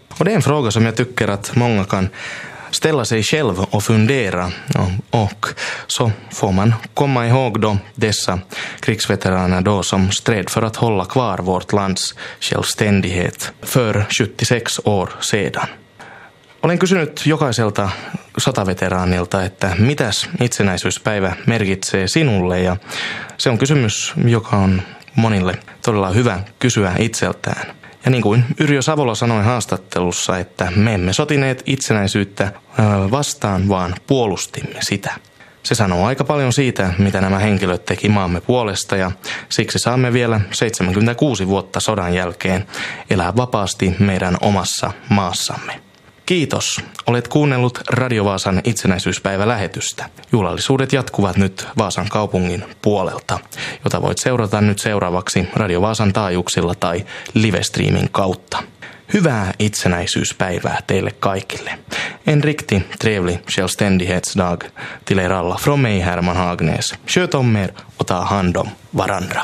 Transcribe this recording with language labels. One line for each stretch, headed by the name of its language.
Swedish: Och det är en fråga som jag tycker att många kan ställa sig själv och fundera och så får man komma ihåg då dessa krigsveteraner då som stred för att hålla kvar vårt lands självständighet för 76 år sedan.
Finnish: Olen kysynyt jokaiselta sotaveteraanilta, että mitäs itsenäisyyspäivä merkitsee sinulle ja se on kysymys, joka on monille todella hyvä kysyä itseltään. Ja niin kuin Yrjö Savola sanoi haastattelussa, että me emme sotineet itsenäisyyttä vastaan, vaan puolustimme sitä. Se sanoo aika paljon siitä, mitä nämä henkilöt teki maamme puolesta ja siksi saamme vielä 76 vuotta sodan jälkeen elää vapaasti meidän omassa maassamme. Kiitos. Olet kuunnellut Radio Vaasan itsenäisyyspäivälähetystä. Juhlallisuudet jatkuvat nyt Vaasan kaupungin puolelta, jota voit seurata nyt seuraavaksi Radio Vaasan taajuuksilla tai livestreamin kautta. Hyvää itsenäisyyspäivää teille kaikille.
Swedish: En riktig trevlig självständighetsdag till er alla från mig Herman Hagnäs. Sköt om er och ta hand om varandra.